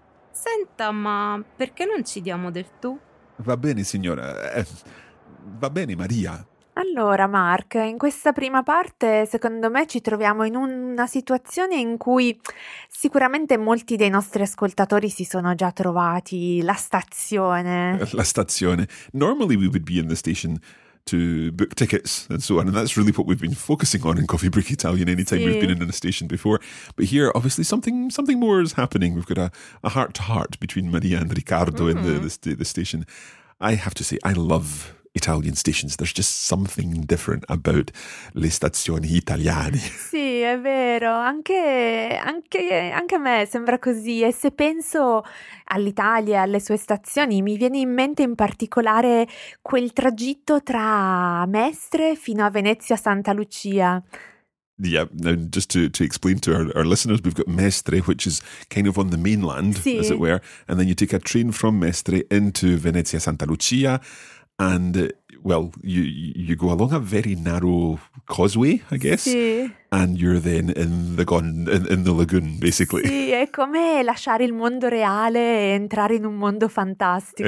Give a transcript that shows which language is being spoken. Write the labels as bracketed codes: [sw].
[it] Senta, ma perché non ci diamo del tu? Va bene, signora. Va bene, Maria. Allora, Mark, in questa prima parte, secondo me, ci troviamo in una situazione in cui sicuramente molti dei nostri ascoltatori si sono già trovati. La stazione. La stazione. [en] Normally we would be in the station to book tickets and so on, and that's really what we've been focusing on in Coffee Break Italian anytime [it] sì. [en] We've been in a station before. But here, obviously, something more is happening. We've got a heart-to-heart between Maria and Riccardo mm-hmm. in the station. I have to say, I love Italian stations, there's just something different about [it] le stazioni italiane. Sì, è vero, anche a me sembra così. E se penso all'Italia, alle sue stazioni, mi viene in mente in particolare quel tragitto tra Mestre fino a Venezia Santa Lucia. [en] Yeah, and just to explain to our listeners, we've got Mestre, which is kind of on the mainland, [it] sì. [en] as it were, and then you take a train from Mestre into Venezia Santa Lucia. And, well, you go along a very narrow causeway, I guess, [it] sì. [en] and you're then in the lagoon, basically. [it] Sì, è come lasciare il mondo reale e entrare in un mondo fantastico.